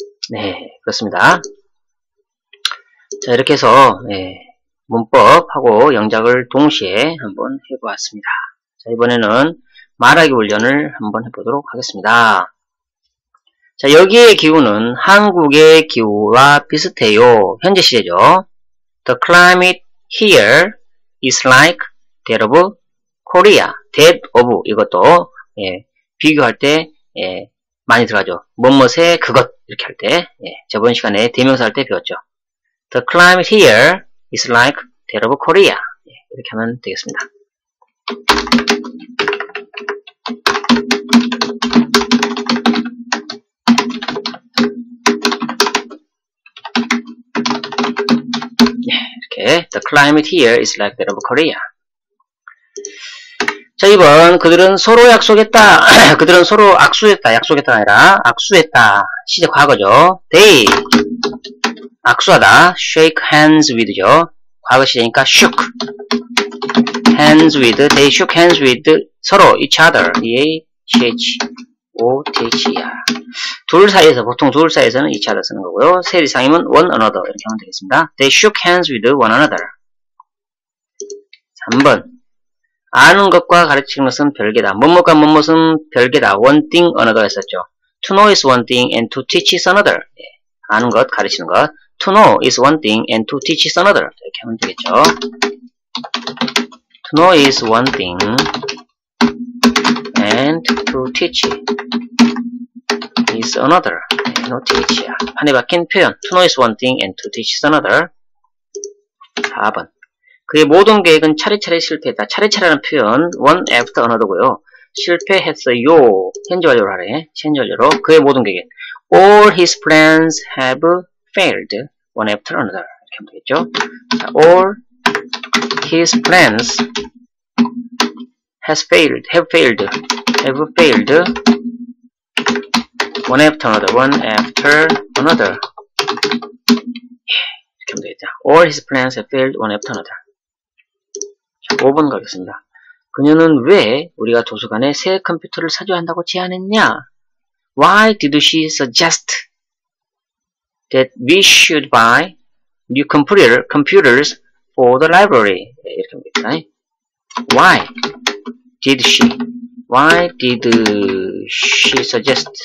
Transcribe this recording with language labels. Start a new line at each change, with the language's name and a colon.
Korean: 네, 그렇습니다. 자, 이렇게 해서 예, 문법하고 영작을 동시에 한번 해보았습니다. 자, 이번에는 말하기 훈련을 한번 해보도록 하겠습니다. 자, 여기의 기후는 한국의 기후와 비슷해요. 현재 시제죠.
English: The climate here is like that of Korea. That of
Korean: 이것도 예, 비교할 때 예, 많이 들어가죠. 뭐뭇의 그것 이렇게 할 때 예, 저번 시간에 대명사 할 때 배웠죠.
English: The climate here is like that of Korea.
Korean: 예, 이렇게 하면 되겠습니다.
English: 네, 이렇게 The climate here is like that of Korea.
Korean: 자, 2번. 그들은 서로 약속했다. 그들은 서로 악수했다. 약속했다 아니라 악수했다. 시제 과거죠. They 악수하다.
English: Shake hands with죠.
Korean: 과거 시제니까
English: shook hands with. They shook hands with
Korean: 서로
English: each other. E-A-C-H-O-T-H-E-R.
Korean: 둘 사이에서 보통 둘 사이에서는
English: each other
Korean: 쓰는 거고요. 셀 이상이면
English: one another
Korean: 이렇게 하면 되겠습니다.
English: They shook hands with one another.
Korean: 3번. 아는 것과 가르치는 것은 별개다. 뭣뭣과 뭣뭣은 별개다.
English: One thing, another
Korean: 했었죠.
English: To know is one thing and to teach is another.
Korean: 예. 아는 것, 가르치는 것.
English: To know is one thing and to teach is another.
Korean: 이렇게 하면 되겠죠.
English: To know is one thing and to teach is another.
Korean: 예. No teach야. 판에 박힌 표현.
English: To know is one thing and to teach is another.
Korean: 4번. 그의 모든 계획은 차례차례 실패했다. 차례차례라는 표현,
English: one after another
Korean: 고요. 실패했어요. 현재 완료로 하래. 현재 완료로. 그의 모든 계획.
English: All his plans have failed. One after another.
Korean: 이렇게 하면 되겠죠.
English: 자, all his plans has failed. Have failed. Have failed. One after another. One after another.
Korean: 이렇게 하면 되겠죠.
English: All his plans have failed. One after another.
Korean: 5번 가겠습니다. 그녀는 왜 우리가 도서관에 새 컴퓨터를 사줘야 한다고 제안했냐?
English: Why did she suggest that we should buy new computers for the library?
Korean: 네, 이렇게 합니다.
English: Why did she? Why did she suggest?